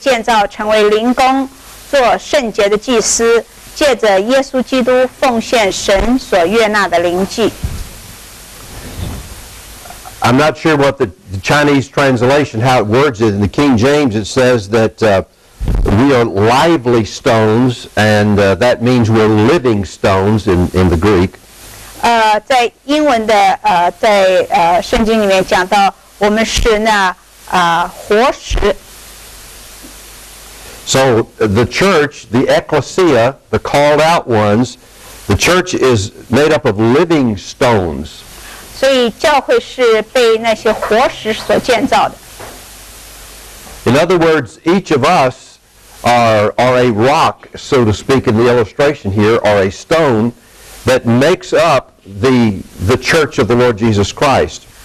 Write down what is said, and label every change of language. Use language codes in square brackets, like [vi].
[zh] 第二章第五节。你们来到主面前，也就像活石被建造成为灵宫，做圣洁的祭司。 [en] I'm not sure what the Chinese translation, how it words it. In the King James, it says that we are lively stones, and that means we're living stones in the Greek. [zh] 在英文的圣经里面讲到我们是那活石。 [en] So the church, the ecclesia, the called out ones, the church is made up of living stones. [zh] 所以教会是被那些活石所建造的。 [en] In other words, each of us are a rock, so to speak, in the illustration here, or a stone that makes up the church of the Lord Jesus Christ.